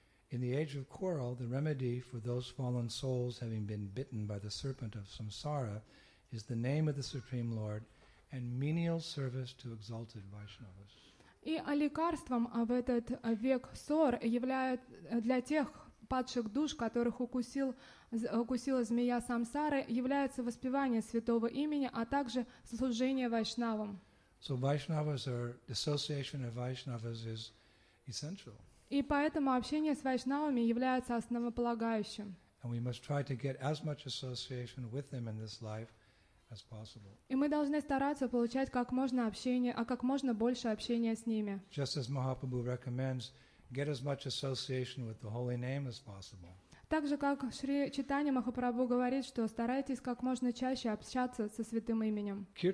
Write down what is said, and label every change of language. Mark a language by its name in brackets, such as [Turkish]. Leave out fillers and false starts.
[English] In the age of quarrel, the remedy for those fallen souls having been bitten by the serpent of samsara is the name of the Supreme Lord and menial service to exalted Vaishnavas. [Russian] И лекарством в этот век ссор является для тех падших душ, которых укусила змея самсары, является воспевание святого имени, а также служение Вайшнавам. [English] So Vaishnavas or association of Vaishnavas is essential. [Russian] И поэтому общение с вайшнавами является основополагающим. [English] And we must try to get as much association with them in this life as possible. [Russian] И мы должны стараться получать как можно больше общения с ними. [English] Just as Mahaprabhu recommends, get as much association with the holy name as possible. [Russian] Так же, как Шри Чайтанья Махапрабху говорит, что старайтесь как можно чаще общаться со святым именем.